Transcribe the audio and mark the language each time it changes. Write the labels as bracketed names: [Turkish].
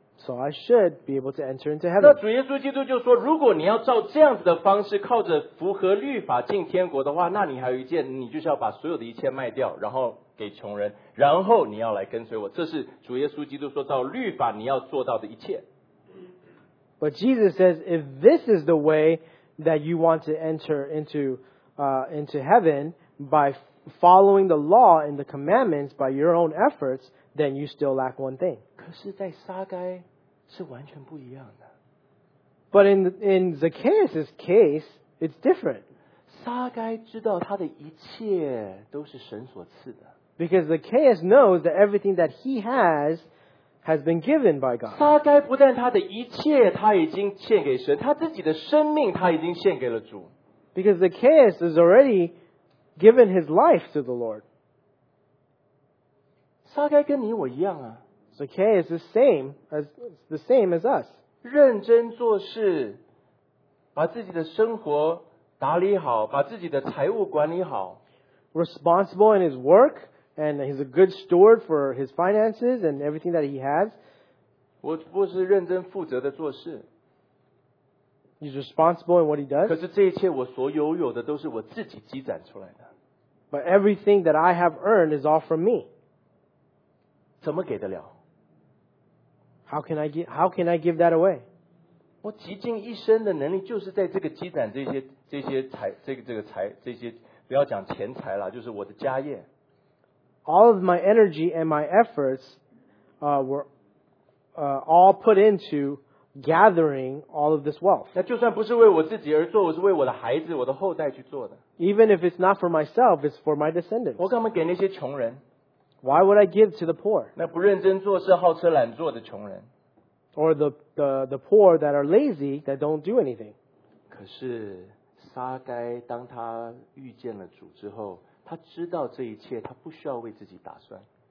[English] So I should be able to enter into heaven. [Chinese] 那主耶稣基督就说，如果你要照这样子的方式，靠着符合律法进天国的话，那你还有一件，你就是要把所有的一切卖掉，然后给穷人，然后你要来跟随我。这是主耶稣基督说照律法你要做到的一切。 [English] But Jesus says, if this is the way that you want to enter into heaven by following the law and the commandments by your own efforts, then you still lack one thing. [Chinese] 可是在撒该是完全不一样的。 [English] But in Zacchaeus' case, it's different. [Chinese] 撒该知道他的一切都是神所赐的。 [English] Because Zacchaeus knows that everything that he has been given by God. [Chinese] 撒该不但他的一切他已经献给神，他自己的生命他已经献给了主。 [English] Because Zacchaeus has already given his life to the Lord. [Chinese] 撒该跟你我一样啊。 [English] Zacchaeus is the same as us. [Chinese] 认真做事，把自己的生活打理好，把自己的财务管理好。 [English] Responsible in his work, and he's a good steward for his finances and everything that he has. [Chinese] 我不是认真负责的做事。 [English] He's responsible in what he does. [Chinese] 可是这一切我所拥有的都是我自己积攒出来的。 [English] But everything that I have earned is all from me. [Chinese] 怎么给得了？ [English] How can I give that away? [Chinese] 我极尽一生的能力就是在这个积攒这些财，不要讲钱财了，就是我的家业。 [English] All of my energy and my efforts were all put into gathering all of this wealth. [Chinese] 那就算不是为我自己而做，我是为我的孩子、我的后代去做的。 [English] Even if it's not for myself, it's for my descendants. [Chinese] 我干嘛给那些穷人？ [English] Why would I give to the poor? [Chinese] 那不认真做事、好吃懒做的穷人。 [English] Or the poor that are lazy, that don't do anything. [Chinese] 可是撒该当他遇见了主之后，他知道这一切，他不需要为自己打算。